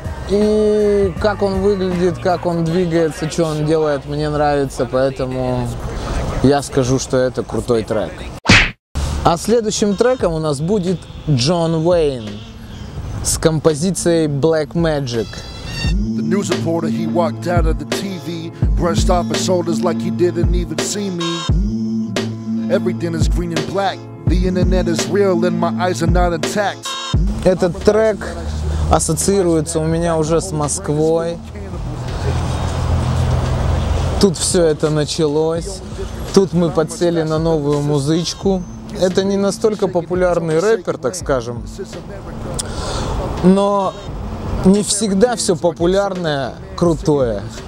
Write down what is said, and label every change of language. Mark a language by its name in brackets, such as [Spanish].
[Russian] И как он выглядит, как он двигается, что он делает, мне нравится. Поэтому я скажу, что это крутой трек. А следующим треком у нас будет Джон Уэйн с композицией Black Magic. [English] The news reporter, he walked out of the TV, brushed off his shoulders like he didn't even see me. Everything is green and black, the internet is real and my eyes are not intact. [Russian] Этот трек ассоциируется у меня уже с Москвой. Тут все это началось. Тут мы подсели на новую музычку. Это не настолько популярный рэпер, так скажем. Но не всегда все популярное крутое.